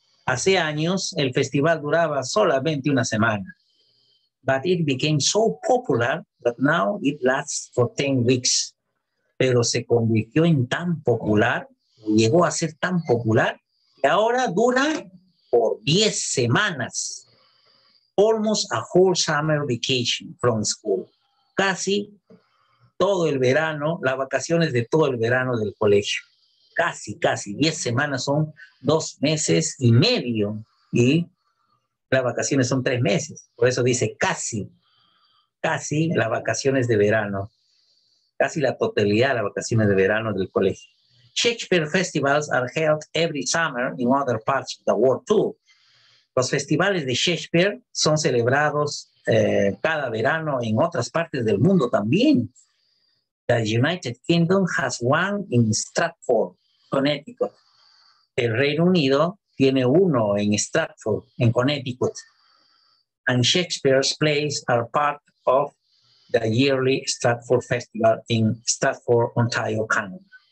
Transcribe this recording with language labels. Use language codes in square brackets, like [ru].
[es] Hace años, el festival duraba solamente una semana. [en] But it became so popular that now it lasts for 10 weeks. [es] Pero se convirtió en tan popular, llegó a ser tan popular, que ahora dura por 10 semanas. [en] Almost a whole summer vacation from school. [es] Casi todo el verano, las vacaciones de todo el verano del colegio. Casi 10 semanas son 2 meses y medio y las vacaciones son 3 meses. Por eso dice casi las vacaciones de verano, casi la totalidad de las vacaciones de verano del colegio. [en] Shakespeare festivals are held every summer in other parts of the world too. [es] Los festivales de Shakespeare son celebrados cada verano en otras partes del mundo también. [en] The United Kingdom has one in Stratford, Connecticut. [es] El Reino Unido tiene uno en Stratford, en Connecticut. [en] And Shakespeare's plays are part of the yearly Stratford Festival in Stratford, Ontario, Canada.